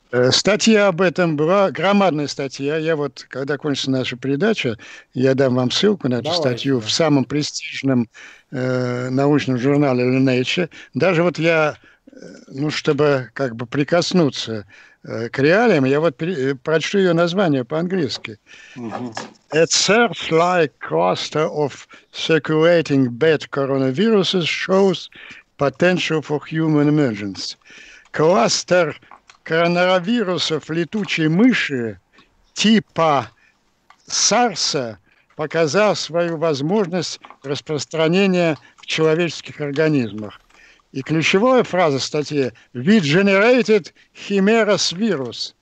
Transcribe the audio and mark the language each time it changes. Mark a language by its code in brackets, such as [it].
[ru] Статья об этом была, громадная статья. Я вот, когда кончится наша передача, я дам вам ссылку на эту статью в самом престижном научном журнале Nature. Даже вот я, ну, чтобы как бы прикоснуться к реалиям, я вот прочту ее название по-английски. [en] It seems like cluster of circulating bat coronaviruses shows potential for human emergence. [ru] Кластер коронавирусов летучей мыши типа SARS-а показал свою возможность распространения в человеческих организмах. И ключевая фраза статьи – [en] «We generated chimeras virus».